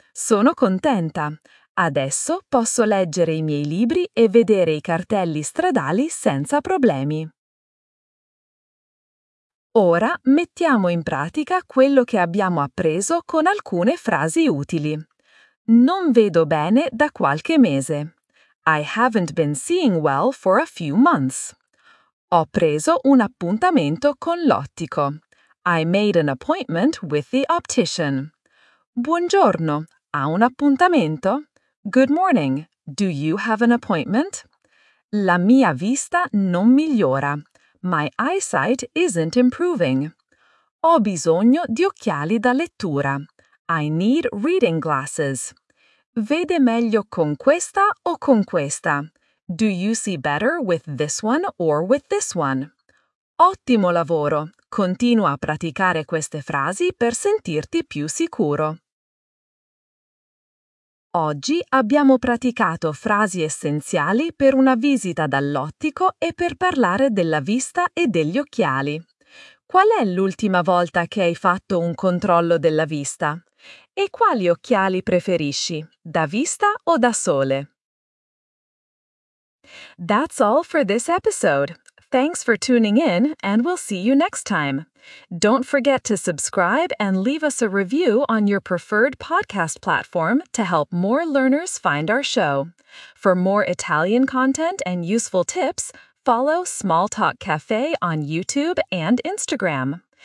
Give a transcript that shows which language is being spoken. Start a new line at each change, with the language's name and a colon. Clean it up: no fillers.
Italian: Sono contenta. Adesso posso leggere i miei libri e vedere i cartelli stradali senza problemi. Ora mettiamo in pratica quello che abbiamo appreso con alcune frasi utili. Non vedo bene da qualche mese.
English: I haven't been seeing well for a few months.
Italian: Ho preso un appuntamento con l'ottico.
English: I made an appointment with the optician.
Italian: Buongiorno. Ha un appuntamento?
English: Good morning. Do you have an appointment?
Italian: La mia vista non migliora.
English: My eyesight isn't improving.
Italian: Ho bisogno di occhiali da lettura.
English: I need reading glasses.
Italian: Vede meglio con questa o con questa?
English: Do you see better with this one or with this one?
Italian: Ottimo lavoro! Continua a praticare queste frasi per sentirti più sicuro. Oggi abbiamo praticato frasi essenziali per una visita dall'ottico e per parlare della vista e degli occhiali. Qual è l'ultima volta che hai fatto un controllo della vista? E quali occhiali preferisci, da vista o da sole?
English: That's all for this episode. Thanks for tuning in, and we'll see you next time. Don't forget to subscribe and leave us a review on your preferred podcast platform to help more learners find our show. For more Italian content and useful tips, follow Small Talk Cafe on YouTube and Instagram.